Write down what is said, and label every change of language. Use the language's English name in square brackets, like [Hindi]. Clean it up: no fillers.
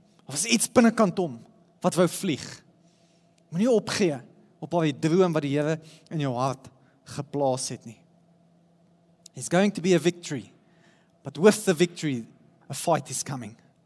[Afrikaans] Of is iets binnekant hom wat wou vlieg. Moenie opgee op al die droom wat die Here in jou hart geplaas het nie. [English] It's going to be a victory. But with the victory, a fight is coming.